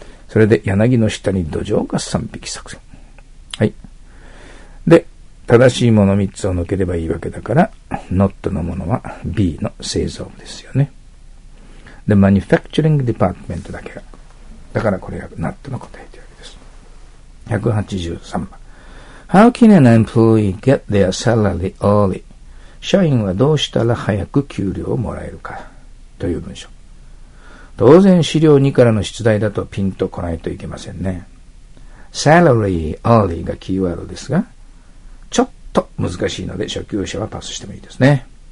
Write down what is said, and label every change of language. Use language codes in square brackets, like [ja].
[ja] それで柳の下に土壌が三匹作戦。はい。で、正しいもの三つを抜ければいいわけだから、ノットのものは B の製造部ですよね。で、マニファクチュリングディパートメントだけが。だからこれがナットの答えというわけです。 183番。 [en] How can an employee get their salary early? [ja] 社員はどうしたら早く給料をもらえるか。という文章。当然資料2からの出題だとピンとこないといけませんね。 [en] salary early [ja] がキーワードですが、ちょっと難しいので初級者はパスしてもいいですね。